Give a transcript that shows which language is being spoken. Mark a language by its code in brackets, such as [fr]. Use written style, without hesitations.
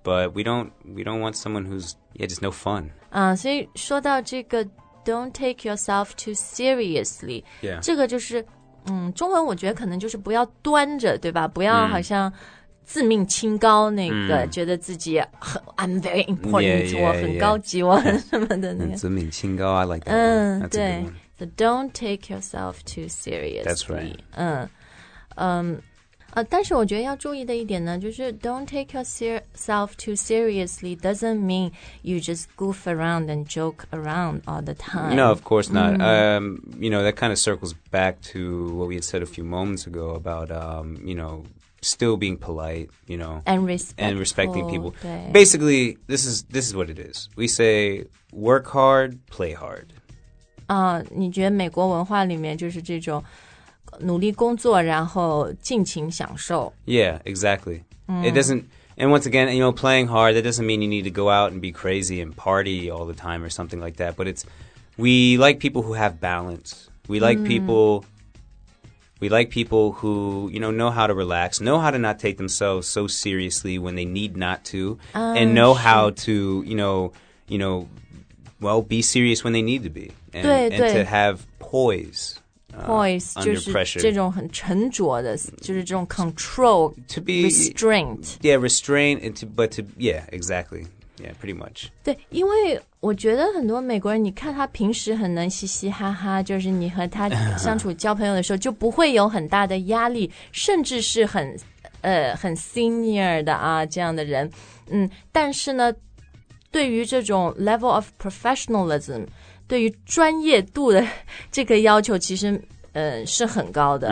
[en] But we don't want someone who's, yeah, just no fun. [zh] 所以说到这个 [en] don't take yourself too seriously. Yeah. [zh] 这个就是、中文我觉得可能就是不要端着对吧不要好像。自命清高那个、觉得自己很 [en] I'm very important yeah, yeah, [zh] 我很高级 [en] yeah, [zh] yeah. 我什么的那个自命清高 [en] I like that one、 That's a good one. So don't take yourself too seriously That's right [zh] 但是我觉得要注意的一点呢就是 [en] Don't take yourself too seriously Doesn't mean you just goof around and joke around all the time No of course not、you know that kind of circles back to what we had said a few moments ago about、you knowstill being polite, you know, and respecting people. Basically, this is what it is. We say work hard, play hard. [zh] 你觉得美国文化里面就是这种努力工作然后尽情享受。 [en] Yeah, exactly. It doesn't, and once again, you know, playing hard, that doesn't mean you need to go out and be crazy and party all the time or something like that, but it's, we like people who have balance. We like people... We like people who, you know how to relax, know how to not take themselves so seriously when they need not to, and know how to, you know, well, be serious when they need to be, and to have poise, poise under pressure. [zh] 这种很沉着的，就是这种 control, [en] to be, restraint. Yeah, restraint, and to, but to, yeah, exactly. Yeah, pretty much. [zh] 对，因为我觉得很多美国人，你看他平时很能嘻嘻哈哈，就是你和他相处交朋友的时候，就不会有很大的压力，甚至是很 senior 的啊这样的人，但是呢，对于这种 [en] level of professionalism, [zh] 对于专业度的这个要求其实是很高的、